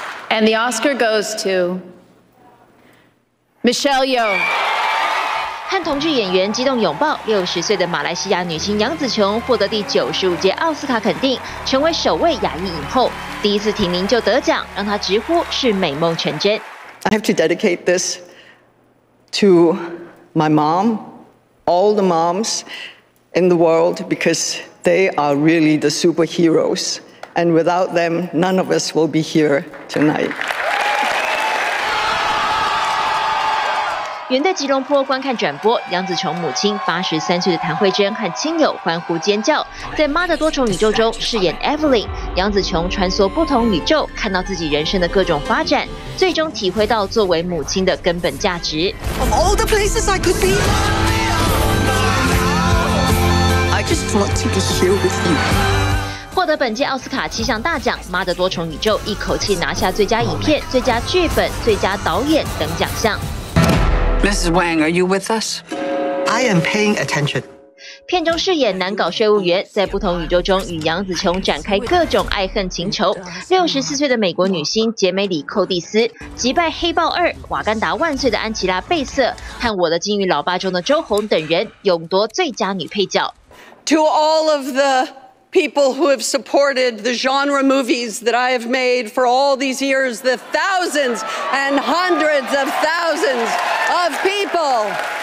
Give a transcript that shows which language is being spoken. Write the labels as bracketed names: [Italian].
[English] And the Oscar goes to Michelle Yeoh。 [Chinese] 和同剧演员激动拥抱，60岁的马来西亚女星杨紫琼获得第95届奥斯卡肯定，成为首位亚裔影后。第一次提名就得奖，让她直呼是美梦成真。 [English] I have to dedicate this to my mom, all the moms in the world, because they are really the superheroes, and without them, none of us will be here tonight. [Chinese] 远在吉隆坡观看转播，杨紫琼母亲83岁的谭慧珍和亲友欢呼尖叫。在《妈的多重宇宙》中饰演 Evelyn， 杨紫琼穿梭不同宇宙，看到自己人生的各种发展，最终体会到作为母亲的根本价值。 [English] Of all the places I could be, I just want to be here with you. [Chinese] 获得本届奥斯卡7项大奖，《妈的多重宇宙》一口气拿下最佳影片、最佳剧本、最佳导演等奖项。 [English] Mrs. Wang, are you with us? I am paying attention. [Chinese] 片中饰演难搞税务员，在不同宇宙中与杨紫琼展开各种爱恨情仇。 64岁的美国女星杰梅里·寇蒂斯击败《黑豹二》《瓦干达万岁》的安琪拉·贝瑟和《我的金鱼老爸》中的周红等人，勇夺最佳女配角。 [English] To all of the people who have supported the genre movies that I have made for all these years, the thousands and hundreds of thousands of people.